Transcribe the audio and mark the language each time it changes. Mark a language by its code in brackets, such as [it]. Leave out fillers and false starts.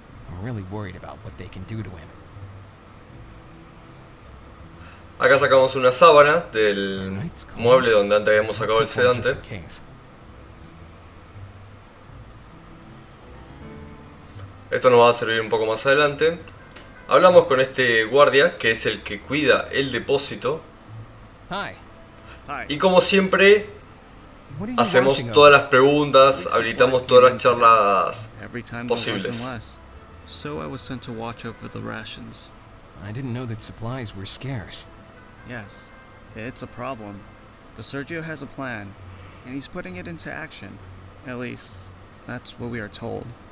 [en] I'm really worried about what they can do to him. [es] Acá sacamos una sábana del mueble donde antes habíamos sacado el sedante. Esto nos va a servir un poco más adelante. Hablamos con este guardia, que es el que cuida el depósito. [en] Hi. [es] Y como siempre, hacemos todas las preguntas, habilitamos todas las charlas posibles. [en] So I was sent to watch over the rations. I didn't know that supplies were scarce. Yes, it's a problem. But Sergio has a plan, and he's putting it into action. At least, that's what we are told.